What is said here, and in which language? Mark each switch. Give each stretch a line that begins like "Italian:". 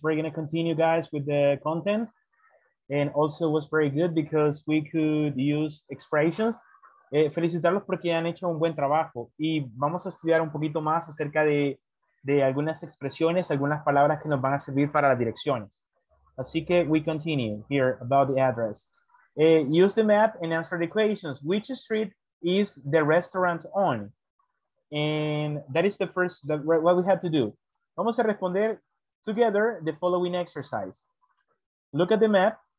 English: We're going to continue, guys, with the content. And also, it was very good because we could use expressions.
Spanish: Felicitarlos porque han hecho un buen trabajo. Y vamos a estudiar un poquito más acerca de algunas expresiones, algunas palabras que nos van a servir para las direcciones. Así que
English: we continue here about the address. Use the map and answer the equations. Which street is the restaurant on? And that is the first, what we have to do.
Spanish: Vamos a responder
English: together the following exercise. Look at the map